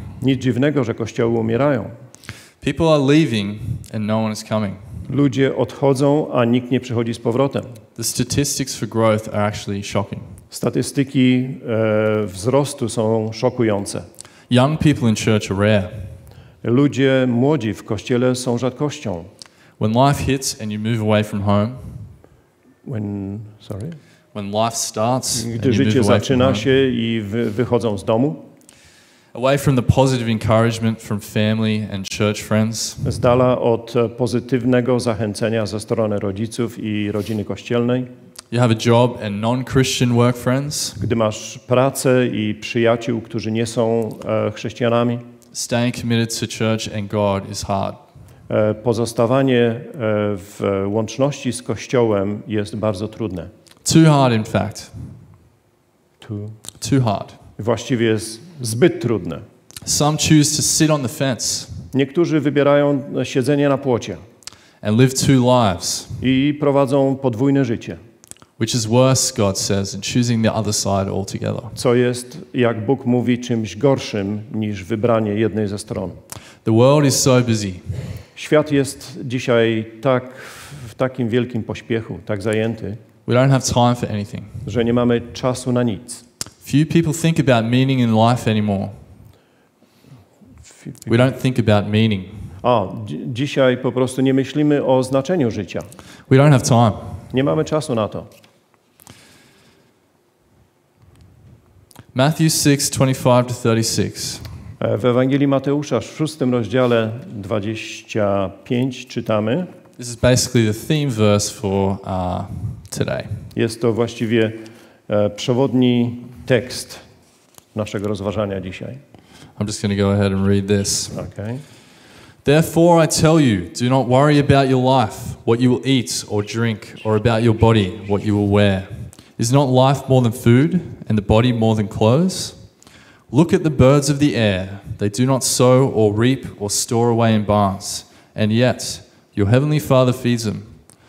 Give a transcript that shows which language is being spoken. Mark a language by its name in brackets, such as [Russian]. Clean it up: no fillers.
[Polish] Nic dziwnego, że kościoły umierają. [English] People are leaving and no one is coming. [Polish] Ludzie odchodzą, a nikt nie przychodzi z powrotem. [English] The statistics for growth are actually shocking. [Polish] Statystyki wzrostu są szokujące. [English] Young people in church are rare. [Polish] Ludzie młodzi w kościele są rzadkością. [English] When life hits and you move away from home. When life starts. [Polish] Gdy życie zaczyna się i wychodzą z domu. [English] Away from the positive encouragement from family and church friends. [Polish] Z dala od pozytywnego zachęcenia ze strony rodziców i rodziny kościelnej. [English] You have a job and non-Christian work friends. [Polish] Gdy masz pracę i przyjaciół, którzy nie są chrześcijanami. [English] Staying committed to church and God is hard. [Polish] Pozostawanie w łączności z Kościołem jest bardzo trudne. [English] Too hard, in fact. Too hard. [Polish] Właściwie jest zbyt trudne. [English] Some choose to sit on the fence. [Polish] Niektórzy wybierają siedzenie na płocie. [English] And live two lives. [Polish] I prowadzą podwójne życie. [English] Which is worse, God says, and choosing the other side altogether. [Polish] Co jest, jak Bóg mówi, czymś gorszym niż wybranie jednej ze stron. [English] The world is so busy. [Polish] Świat jest dzisiaj tak w takim wielkim pośpiechu, tak zajęty, [English] we don't have time for anything. [Polish] Że nie mamy czasu na nic. [English] Few people think about meaning in life anymore. We don't think about meaning. [Polish] Dzisiaj po prostu nie myślimy o znaczeniu życia. [English] We don't have time. [Polish] Nie mamy czasu na to. [English] Matthew 6:25-36. [Polish] W Ewangelii Mateusza w 6 rozdziale 25 czytamy. [English] This is basically the theme verse for today. [Polish] Jest to właściwie przewodni tekst naszego rozważania dzisiaj. [English] I'm just going to go ahead and read this. Okay. Therefore I tell you, do not worry about your life, what you will eat or drink, or about your body, what you will wear. Is not life more than food, and the body more than clothes? Look at the birds of the air. They do not sow or reap or store away in barns, and yet your heavenly Father feeds them.